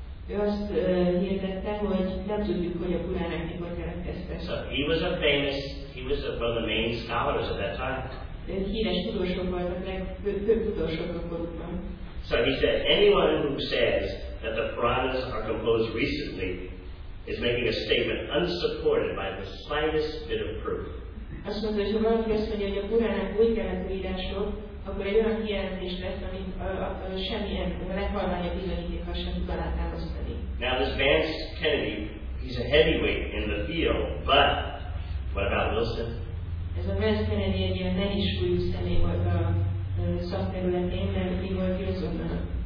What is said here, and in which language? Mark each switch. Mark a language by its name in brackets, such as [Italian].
[English] So he was a famous, he was one of the main scholars at that time. So he said, anyone who says that the Puranas are composed recently is making a statement unsupported by the slightest bit of proof. [Hungarian] Azt mondta, hogy ha valaki azt mondja, hogy a Puránák új keletű írások, akkor egy olyan kijelentés lesz, amit semmilyen leghalványabb bizonyítéka sem tud alátámasztani. [English] Now this Vance Kennedy, he's a heavyweight in the field, but what about Wilson? [Hungarian] Ez a Vance Kennedy egy ilyen nehéz súlyú személy volt a szakterületén, mert mi volt Wilsonnak.